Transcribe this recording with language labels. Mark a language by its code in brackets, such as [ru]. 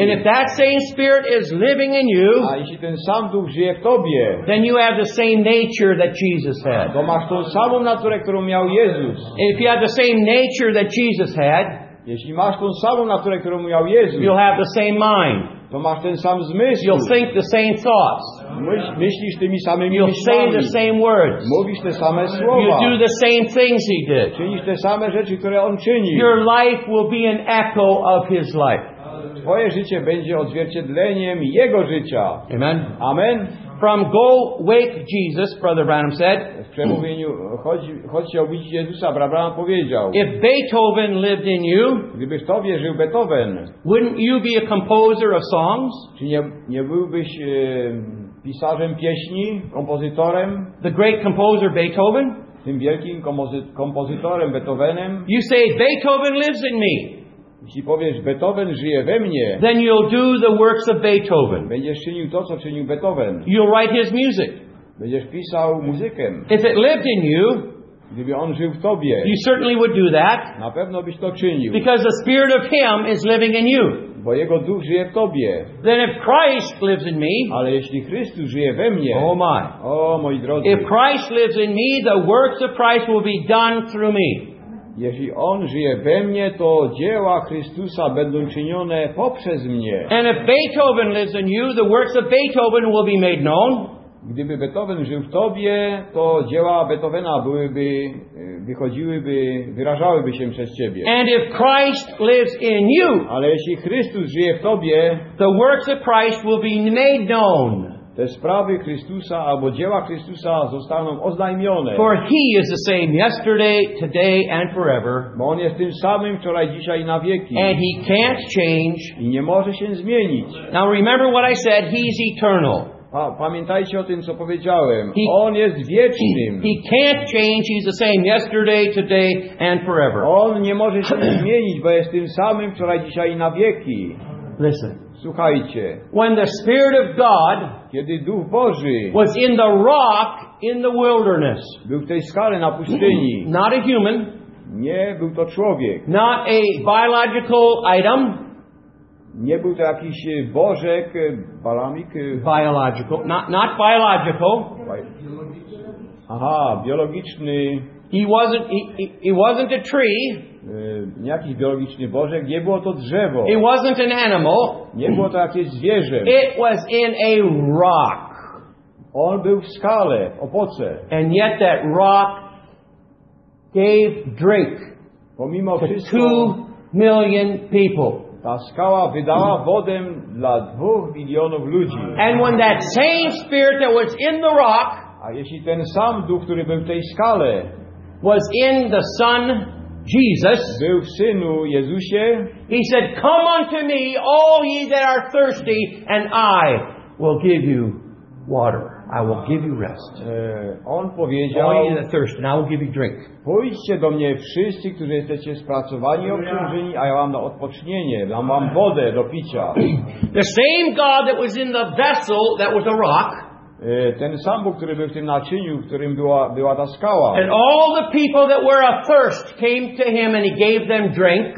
[en] and if that same spirit is living in you, [pl] a jeśli ten sam duch żyje w tobie, [en] then you have the same nature that Jesus had. [pl] To masz tą samą naturę, którą miał Jezus. [en] And if you have the same nature that Jesus had, [pl] jeśli masz tą samą naturę, którą miał Jezus, [en] you'll have the same mind. [pl] To masz ten sam zmysł. [en] You'll think the same thoughts. [pl] Myślisz tymi samymi [en] You'll [pl] myślami. [en] Say the same words. [pl] Mówisz te same słowa. [en] You'll do the same things he did. [pl] Czynisz te same rzeczy, które on czynił. [en] Your life will be an echo of his life. [pl] Twoje życie będzie odzwierciedleniem jego życia. [en] Amen. [pl] Amen. [en] From go wake Jesus, Brother Branham said. [pl] W przemówieniu chodźcie obudzić Jezusa, brat Branham powiedział. [en] If Beethoven lived in you, [pl] gdybyś w tobie żył Beethoven, [en] wouldn't you be a composer of songs? [pl] Czy nie byłbyś pisarzem pieśni, kompozytorem? [en] The great composer Beethoven. [pl] Tym wielkim kompozytorem Beethovenem. [en] You say Beethoven lives in me. [pl] Jeśli powiesz, Beethoven żyje we mnie, [en] then you'll do the works of Beethoven. [pl] Będziesz czynił to, co czynił Beethoven. [en] You'll write his music. [pl] Będziesz pisał muzykę. [en] If it lived in you, [pl] gdyby on żył w tobie, [en] you certainly would do that. [pl] Na pewno byś to czynił. [en] Because the spirit of him is living in you. [pl] Bo jego duch żyje w tobie. [en] Then if Christ lives in me, [pl] ale jeśli Chrystus żyje we mnie, [en] oh my, [pl] oh moi drodzy, [en] if Christ lives in me, the works of Christ will be done through me. [pl] Jeśli on żyje we mnie, to dzieła Chrystusa będą czynione poprzez mnie. [en] And if Beethoven lives in you, the works of Beethoven will be made known. [pl] Gdyby Beethoven żył w tobie, to dzieła Beethovena byłyby, wychodziłyby, wyrażałyby się przez ciebie. [en] And if Christ lives in you, [pl] ale jeśli Chrystus żyje w tobie, [en] the works of Christ will be made known. [pl] Te sprawy Chrystusa albo dzieła Chrystusa zostaną oznajmione. [en] For he is the same yesterday, today and forever. [pl] Bo on jest tym samym wczoraj, dzisiaj i na wieki. [en] And he can't change. [pl] I nie może się zmienić. [en] Now remember what I said, he's eternal. [pl] Pamiętajcie o tym, co powiedziałem. On jest wiecznym. [en] He can't change. He's the same yesterday, today, and forever. [pl] On nie może się zmienić, bo jest tym samym wczoraj, dzisiaj i na wieki. [en] Listen. [pl] Słuchajcie. [en] When the Spirit of God, [pl] kiedy Duch Boży, [en] was in the rock in the wilderness, [pl] był w tej skale na pustyni, [en] not a human, [pl] nie był to człowiek, [en] not a biological item, [pl] nie był to jakiś bożek, balamik, [en] biological, not biological, [pl] aha, biologiczny. [en] He wasn't a tree. [pl] Nie jakiś biologiczny bożek, nie było to drzewo. [en] It wasn't an animal. [pl] Nie było to jakieś zwierzę. [en] It was in a rock. [pl] On był w skale, w opoce. [en] And yet that rock gave drink. [pl] Pomimo to wszystko, [en] 2 million people. [pl] Ta skała wydała wodę dla 2 milionów ludzi. [en] And when that same spirit that was in the rock, [pl] a jeśli ten sam duch, który był w tej skale, [en] was in the Son Jesus, [pl] był w Synu Jezusie, [en] he said, "Come unto me, all ye that are thirsty, and I will give you water. I will give you rest." [pl] On powiedział, [en] "All ye that are thirsty, and I will give you drink." [pl] Pójdźcie do mnie wszyscy, którzy jesteście spracowani, obciążeni, a ja wam na odpocznienie, dam wam wodę do picia. [en] The same God that was in the vessel that was a rock. [pl] Ten sam Bóg, który był w tym naczyniu, w którym była ta skała. [en] And all the people that were athirst came to him and he gave them drink.